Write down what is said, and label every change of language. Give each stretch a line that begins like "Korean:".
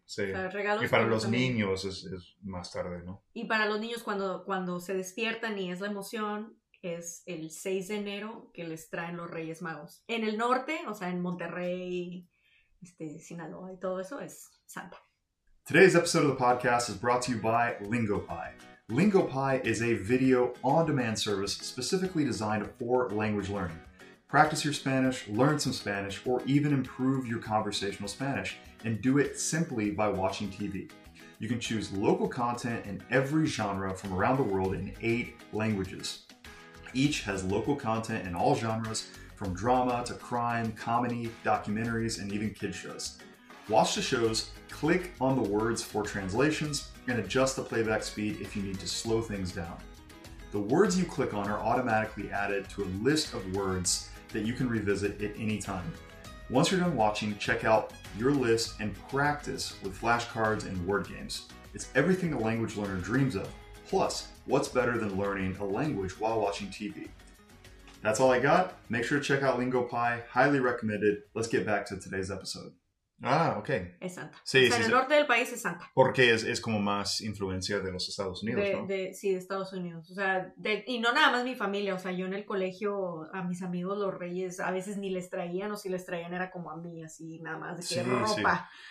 Spanish: O sea, regalos. Y para los niños es más tarde, ¿no? Y para los niños cuando se despiertan y es la emoción... Es el 6 de enero que les traen los Reyes Magos. En el norte, o sea, en Monterrey, Sinaloa y todo eso, es Santa.
English: Today's episode of the podcast is brought to you by Lingopie. Lingopie is a video on-demand service specifically designed for language learning. Practice your Spanish, learn some Spanish, or even improve your conversational Spanish, and do it simply by watching TV. You can choose local content in every genre from around the world in 8 languages. Each has local content in all genres, from drama to crime, comedy, documentaries, and even kids shows. Watch the shows, click on the words for translations, and adjust the playback speed if you need to slow things down. The words you click on are automatically added to a list of words that you can revisit at any time. Once you're done watching, check out your list and practice with flashcards and word games. It's everything a language learner dreams of. Plus, what's better than learning a language while watching TV? That's all I got. Make sure to check out LingoPy. Highly recommended. Let's get back to today's episode. Ah, okay.
Spanish: Es Santa. Sí, o sea, sí, el norte del país es Santa. Porque es como más influencia de los Estados Unidos, de, ¿no? De, sí, de Estados Unidos. O sea, de, y no nada más mi familia. O sea, yo en el colegio a mis amigos los reyes a veces ni les traían, o si les traían era como a mí, así nada más de que sí, ropa. Sí.